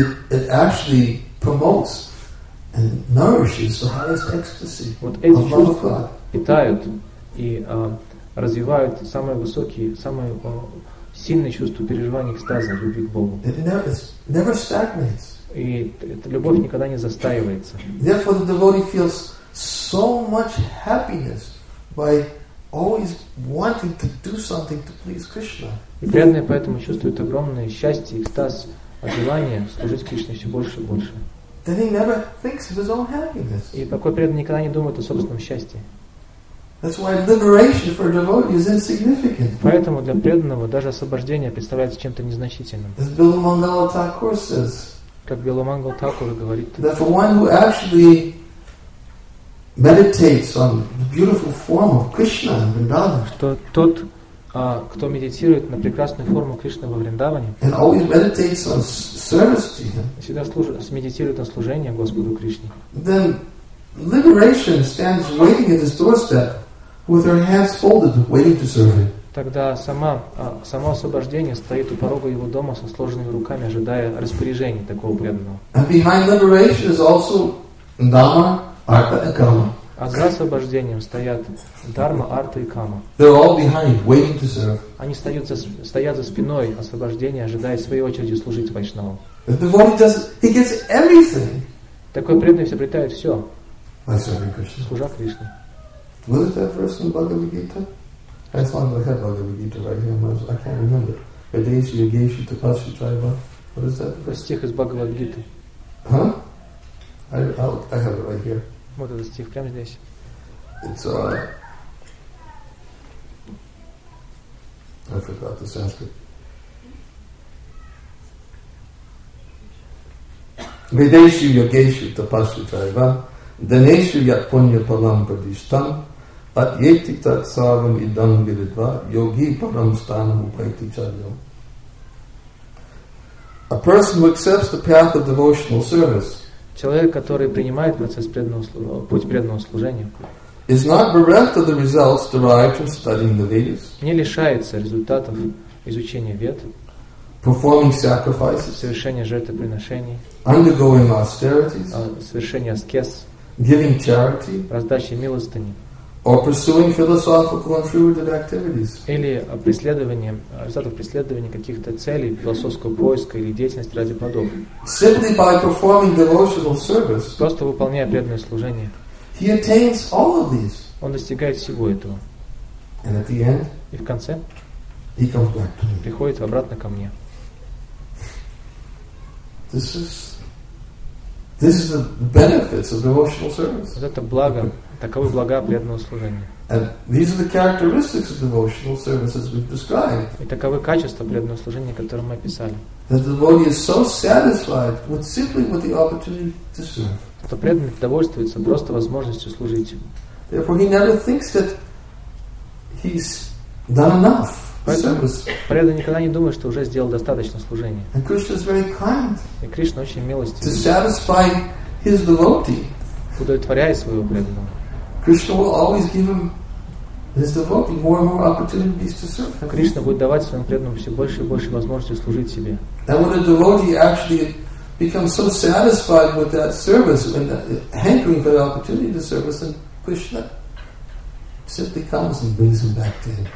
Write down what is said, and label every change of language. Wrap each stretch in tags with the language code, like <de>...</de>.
<en>It actually promotes and nourishes the highest ecstasy.</en> <ru>Вот эти чувства питают и развивают самые высокие, самые сильные чувства переживания экстаза любви к Богу.</ru> <en>It never stagnates.</en> <ru>И эта любовь никогда не застаивается.</ru> <en>Therefore, the devotee feels so much happiness by always wanting to do something to please Krishna.</en> <ru>И преданные поэтому чувствуют огромное счастье, экстаз, желание служить Кришне все больше и больше.</ru> <en>Then he never thinks of his own happiness.</en> <ru>И такой преданный никогда не думает о собственном счастье.</ru> <en>That's why liberation for a devotee is insignificant.</en> <ru>Поэтому для преданного даже освобождение представляется чем-то незначительным.</ru> <en>As Bilal Mangala Thakur says.</en> <ru>Как Биломангал Такур говорит.</ru> <en>That for one who actually meditates on the beautiful form of Krishna in Vrindavan.</en> <ru>Что тот, кто медитирует на прекрасную форму Кришны во Вриндаване.</ru> <en>And always meditates on service to him.</en> <ru>Всегда медитирует на служение Господу Кришне.</ru> <en>Then liberation stands waiting at his doorstep with her hands folded, waiting to serve him.</en> <ru>Тогда само освобождение стоит у порога его дома со сложенными руками, ожидая распоряжения такого преданного.</ru> <en>And behind liberation is also dharma, artha, and kama.</en> <ru>А за освобождением стоят дарма, арта и кама.</ru> <en>They're all behind, waiting to serve.</en> <ru>Они стоят за спиной освобождения, ожидая своей очереди служить вайшнавам.</ru> <en>The devotee does, he gets everything.</en> <ru>Такой преданный все обретает все.</ru> <en>By serving Krishna.</en> <ru>Служа Кришне.</ru> <en>Was it that verse in Bhagavad Gita? That's one of the head Bhagavad Gita right here. I can't remember.</en> <sa>Yadesha Yageshu Tapasya Chaiva.</sa> <en>What is that?</en> <ru>Это стих из Бхагавад Гиты.</ru> <en>Huh? I have it right here.</en> <ru>Вот этот стих прямо здесь.</ru> <en>It's I forgot the Sanskrit.</en> <sa>Yadesha Yageshu Tapasya Chaiva. Dhanesha Yatpunya Palam Pradishtam. At yeti tat savam idam viridva yogi param stanam upaiti chalyam.</sa> <en>A person who accepts the path of devotional service.</en> <ru>Человек, который принимает процесс путь преданного служения,</ru> <en>is not bereft of the results derived from studying the Vedas.</en> <ru>Не лишается результатов изучения Вед.</ru> <en>Performing sacrifices.</en> <ru>Совершения жертвоприношений.</ru> <en>Undergoing austerities.</en> <ru>Совершения аскез.</ru> <en>Giving charity.</en> <ru>Раздачи милостыни.</ru> <en>Or pursuing philosophical and fruitive activities.</en> <ru>Или преследование, результатов преследования каких-то целей, философского поиска или деятельности ради плодов.</ru> <en>Simply by performing devotional service.</en> <ru>Просто выполняя преданное служение.</ru> <en>He attains all of these.</en> <ru>Он достигает всего этого.</ru> <en>And at the end.</en> <ru>И в конце.</ru> <en>He comes back to me.</en> <ru>Приходит обратно ко мне.</ru> <en>This is This is the benefits of devotional service.</en> <ru>Вот это благо, таковы блага преданного служения.</ru> <en>And these are the characteristics of devotional services we've described.</en> <ru>И таковы качества преданного служения, которые мы описали.</ru> <en>That the devotee is so satisfied with simply with the opportunity to serve.</en> <ru>Что преданный довольствуется просто возможностью служить.</ru> <en>Therefore, he never thinks that he's done enough.</en> <ru>Поэтому преданный никогда не думает, что уже сделал достаточно служения.</ru> <en>And Krishna is very kind.</en> <ru>И Кришна очень милостив.</ru> <en>To satisfy his devotee.</en> <ru>Удовлетворяя своего преданного.</ru> <en>Krishna will always give him his devotee more and more opportunities to serve.</en> <ru>Кришна будет давать своему преданному все больше и больше возможностей служить себе.</ru> <en>And when a devotee actually becomes so satisfied with that service and hankering for the opportunity to serve, then Krishna simply comes and brings him back to him.</en>